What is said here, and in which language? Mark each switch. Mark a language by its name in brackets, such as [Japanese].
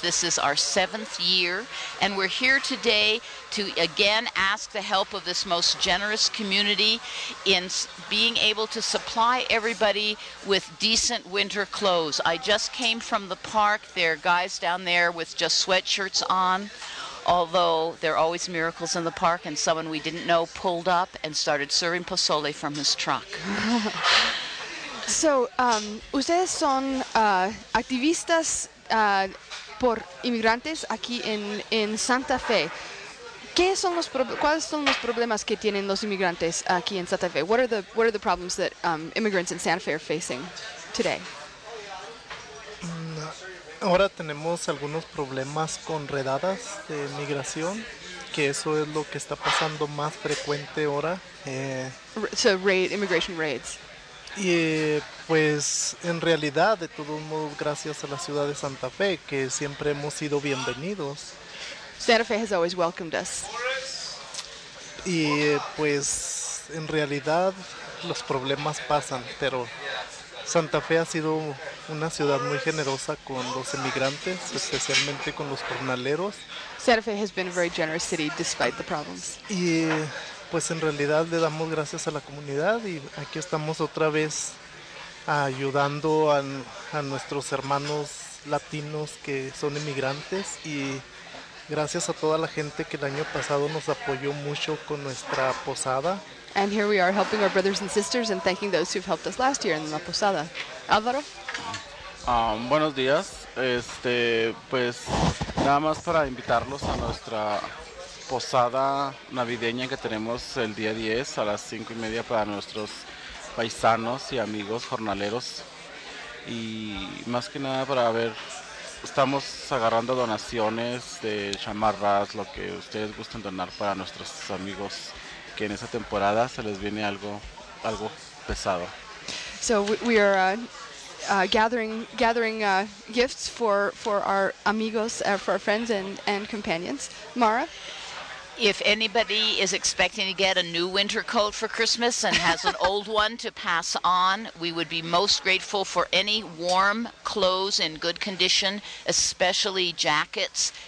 [English] This is our seventh year, and we're here today to again ask the help of this most generous community in being able to supply everybody with decent winter clothes. I just came from the park. There are guys down there with just sweatshirts on. Although there are always miracles in the park, and someone we didn't know pulled up and started serving pozole from his truck. [Spanish] So, ustedes son activistas por inmigrantes aquí en Santa Fe. ¿Cuáles son los problemas que tienen los inmigrantes aquí en Santa Fe? [English] What are the problems that immigrants in Santa Fe are facing today? [Spanish] Ahora tenemos algunos problemas con redadas de migración, que eso es lo que está pasando más frecuente ahora. [English] Immigration raids. [Spanish] Y pues en realidad, de todos modos, gracias a la ciudad de Santa Fe, que siempre hemos sido bienvenidos. [English] Santa Fe has always welcomed us. [Spanish] Y pues en realidad los problemas pasan, pero Santa Fe ha sido una ciudad muy generosa con los emigrantes, especialmente con los jornaleros. [English] Santa Fe has been a very generous city despite the problems. [Spanish] Y pues en realidad le damos gracias a la comunidad y aquí estamos otra vez ayudando a nuestros hermanos latinos que son emigrantes y gracias a toda la gente que el año pasado nos apoyó mucho con nuestra posada. [English] And here we are helping our brothers and sisters and thanking those who've helped us last year in La Posada. Álvaro? [Spanish] Buenos días. Pues nada más para invitarlos a nuestra posada navideña que tenemos el día 10 a las 5:30 para nuestros paisanos y amigos jornaleros. Y más que nada para ver, estamos agarrando donaciones de chamarras, lo que ustedes gusten donar para nuestros amigos, que en esa temporada se les viene algo pesado. [English] So we are gathering gifts for our amigos, for our friends and companions. Mara? If anybody is expecting to get a new winter coat for Christmas and has an old one to pass on, we would be most grateful for any warm clothes in good condition, especially jackets,